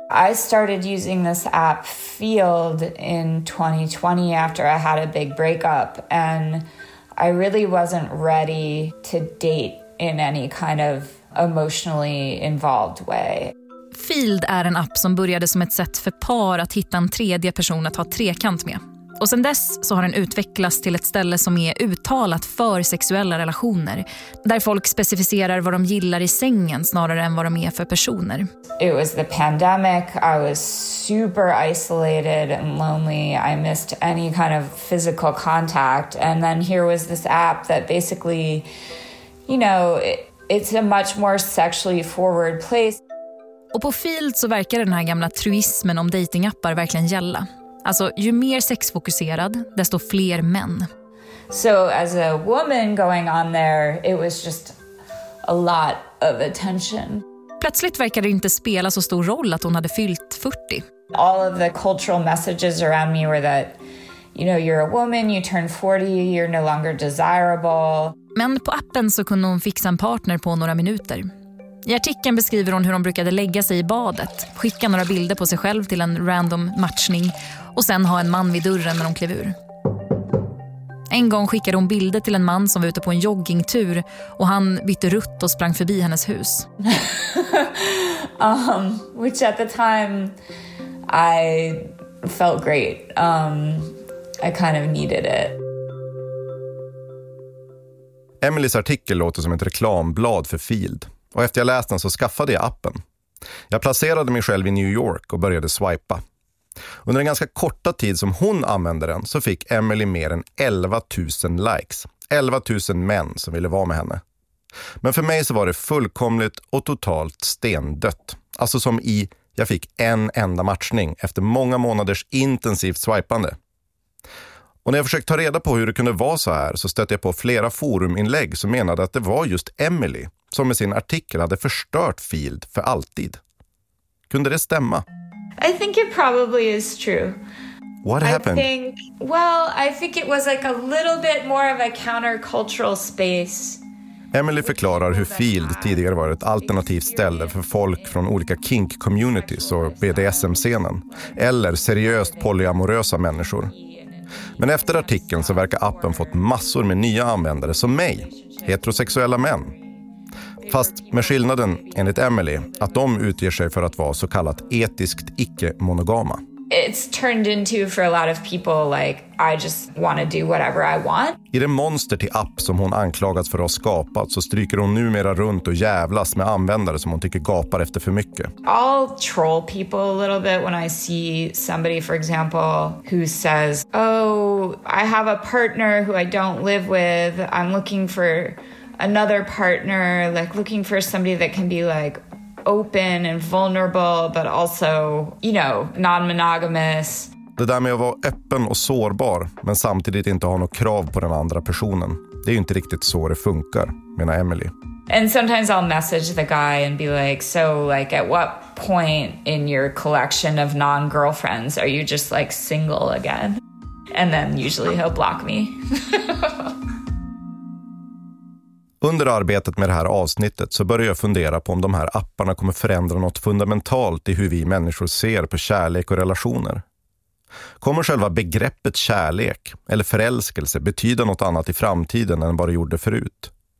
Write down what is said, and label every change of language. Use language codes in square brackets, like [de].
[en] I started using this app Field in 2020 after I had a big breakup, and I really wasn't ready to date in any kind of emotionally involved way. [sv] Field är en app som började som ett sätt för par att hitta en tredje person att ha trekant med. Och sen dess så har den utvecklats till ett ställe som är uttalat för sexuella relationer. Där folk specificerar vad de gillar i sängen snarare än vad de är för personer. [en] It was the pandemic. I was super isolated and lonely. I missed any kind of physical contact. And then here was this app that basically, you know, it's a much more sexually forward place. [sv] Och på Field så verkar den här gamla truismen om datingappar verkligen gälla. Alltså, ju mer sexfokuserad, desto fler män. [en] So as a woman going on there, it was just a lot of attention. [sv] Plötsligt verkade det inte spela så stor roll att hon hade fyllt 40. [en] All of the cultural messages around me were that, you know, you're a woman, you turn 40, you're no longer desirable. [sv] Men på appen så kunde hon fixa en partner på några minuter. I artikeln beskriver hon hur hon brukade lägga sig i badet, skicka några bilder på sig själv till en random matchning och sen ha en man vid dörren när hon klev ur. En gång skickade hon bilder till en man som var ute på en joggingtur och han bytte rutt och sprang förbi hennes hus. [en] Which at the time I felt great. I kind of needed it. [sv] Emilys artikel låter som ett reklamblad för Field. Och efter jag läst den så skaffade jag appen. Jag placerade mig själv i New York och började swipa. Under en ganska korta tid som hon använde den så fick Emily mer än 11 000 likes. 11 000 män som ville vara med henne. Men för mig så var det fullkomligt och totalt stendött. Alltså som i, jag fick en enda matchning efter många månaders intensivt swipande. Och när jag försökte ta reda på hur det kunde vara så här så stötte jag på flera foruminlägg som menade att det var just Emily som med sin artikel hade förstört Field för alltid. Kunde det stämma? [en] I think it probably is true. What happened? I think it was like a little bit more of a countercultural space. [sv] Emily förklarar hur Field tidigare var ett alternativt ställe för folk från olika kink-communities och BDSM-scenen eller seriöst polyamorösa människor. Men efter artikeln så verkar appen fått massor med nya användare som mig, heterosexuella män. Fast med skillnaden, enligt Emily, att de utger sig för att vara så kallat etiskt icke-monogama. [en] It's turned into for a lot of people like I just want to do whatever I want. [sv] I det monster till app som hon anklagats för att ha skapat så stryker hon numera runt och jävlas med användare som hon tycker gapar efter för mycket. [en] I'll troll people a little bit when I see somebody, for example, who says, "Oh, I have a partner who I don't live with. I'm looking for another partner, like looking for somebody that can be like open and vulnerable but also, you know, non-monogamous." [sv] Det där med att vara öppen och sårbar men samtidigt inte ha något krav på den andra personen. Det är ju inte riktigt så det funkar, menar Emily. [en] And sometimes I'll message the guy and be like, "So like at what point in your collection of non-girlfriends are you just like single again?" And then usually he'll block me. [sv] Under arbetet med det här avsnittet så började jag fundera på om de här apparna kommer förändra något fundamentalt i hur vi människor ser på kärlek och relationer. Kommer själva begreppet kärlek eller förälskelse betyda något annat i framtiden än vad det gjorde förut?